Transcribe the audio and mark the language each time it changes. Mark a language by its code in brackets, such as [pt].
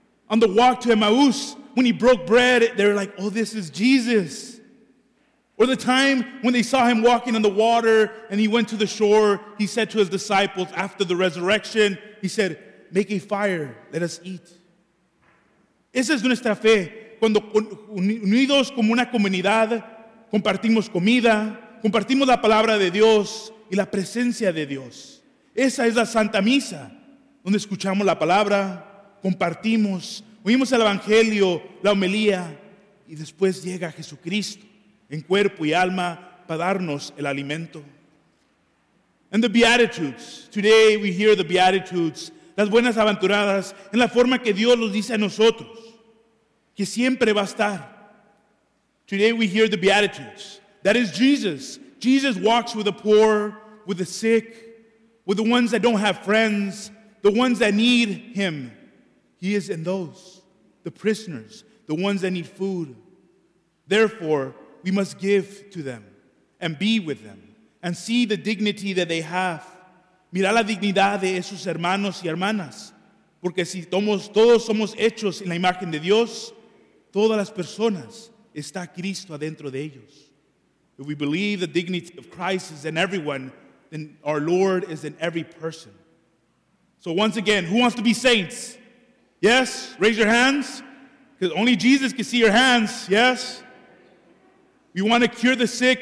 [en] On the walk to Emmaus, when he broke bread, they're like, oh, this is Jesus. Or the time when they saw him walking on the water and he went to the shore, he said to his disciples after the resurrection, he said, make a fire, let us eat. [es] Esa es nuestra fe. Cuando unidos como una comunidad, compartimos comida, compartimos la palabra de Dios y la presencia de Dios. Esa es la Santa Misa, donde escuchamos la palabra, compartimos, oímos el Evangelio, la homilía, y después llega Jesucristo en cuerpo y alma para darnos el alimento. [en] And the Beatitudes. Today we hear the Beatitudes, [es] las buenas aventuradas, en la forma que Dios los dice a nosotros. Que siempre va a estar. [en] Today we hear the Beatitudes. That is Jesus. Jesus walks with the poor, with the sick, with the ones that don't have friends, the ones that need him. He is in those, the prisoners, the ones that need food. Therefore, we must give to them and be with them and see the dignity that they have. [es] Mira la dignidad de esos hermanos y hermanas. Porque si todos somos hechos en la imagen de Dios, todas las personas está Cristo adentro de ellos. [en] If we believe the dignity of Christ is in everyone, then our Lord is in every person. So once again, who wants to be saints? Yes, raise your hands. Because only Jesus can see your hands, yes? We want to cure the sick.